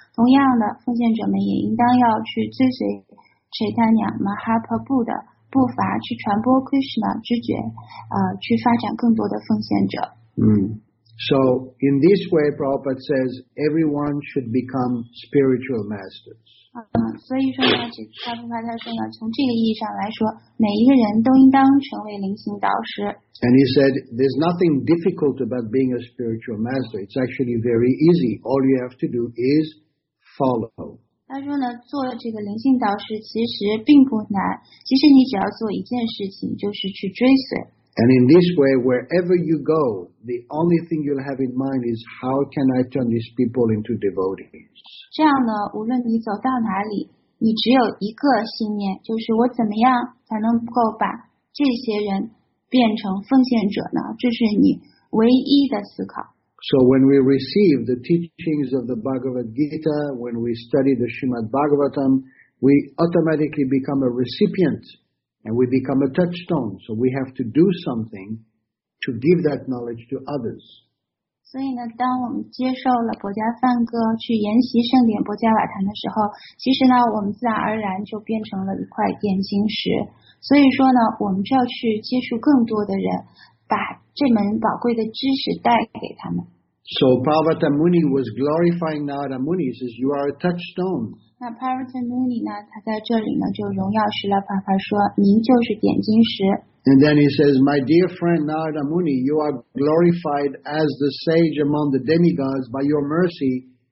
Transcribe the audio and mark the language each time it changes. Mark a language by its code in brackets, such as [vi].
[zh] 同样的，奉献者们也应当要去追随 Chaitanya Mahaprabhu 的。步伐去传播 Krishna 知觉，去发展更多的奉献者。 [en] So in this way, Prabhupada says everyone should become spiritual masters. [zh] 所以说呢，这大部分他说呢，从这个意义上来说，每一个人都应当成为灵性导师。 [en] And he said there's nothing difficult about being a spiritual master. It's actually very easy. All you have to do is follow. [zh] 他说呢，做这个灵性导师其实并不难，其实你只要做一件事情，就是去追随。 [en] And in this way, wherever you go, the only thing you'll have in mind is how can I turn these people into devotees? [zh] 这样呢，无论你走到哪里，你只有一个信念，就是我怎么样才能够把这些人变成奉献者呢？这是你唯一的思考。 [en] So when we receive the teachings of the Bhagavad Gita, when we study the Srimad Bhagavatam, we automatically become a recipient and we become a touchstone. So we have to do something to give that knowledge to others. [zh] 所以呢，当我们接受了薄伽梵歌，去研习圣典薄伽瓦坛的时候，其实呢，我们自然而然就变成了一块点金石。所以说呢，我们就要去接触更多的人，把这门宝贵的知识带给他们。 [en] So Parvata Muni was glorifying Narada Muni. He says, "You are a touchstone." [zh] 那 Parvata Muni 呢？他在这里呢就荣耀释迦牟尼佛，说：“您就是点金石。” [en] And then he says, "My dear friend Narada Muni, you are glorified as the sage among the demigods by your mercy.